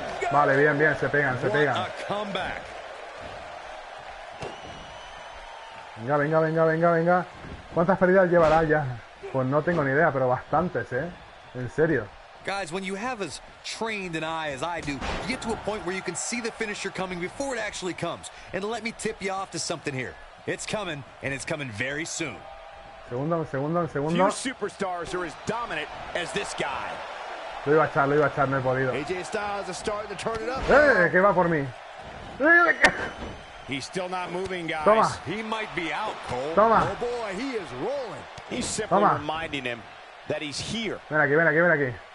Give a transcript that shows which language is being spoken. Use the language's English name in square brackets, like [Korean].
[Spanish] Vale, bien, bien, se pegan, se pegan. Venga, venga, venga, venga, venga. ¿Cuántas pérdidas llevará ya? Pues no tengo ni idea, pero bastantes, ¿eh? En serio. [English] Guys, when you have as trained an eye as I do, you get to a point where you can see the finisher coming before it actually comes. And let me tip you off to something here. It's coming, and it's coming very soon. [Spanish] Segundo, segundo, segundo. [English] Few superstars are as dominant as this guy. [Spanish] Lo iba a echar, lo iba a echar, no he podido. [English] AJ Styles is starting to turn it up. [Spanish] ¿Qué va por mí? [English] He's still not moving, guys. [Spanish] Toma. [English] He might be out, Cole. [Spanish] Toma. [English] Oh boy, he is rolling. He's simply [Spanish] Toma. [English] Reminding him that he's here. [Spanish] Ven aquí, ven aquí, ven aquí.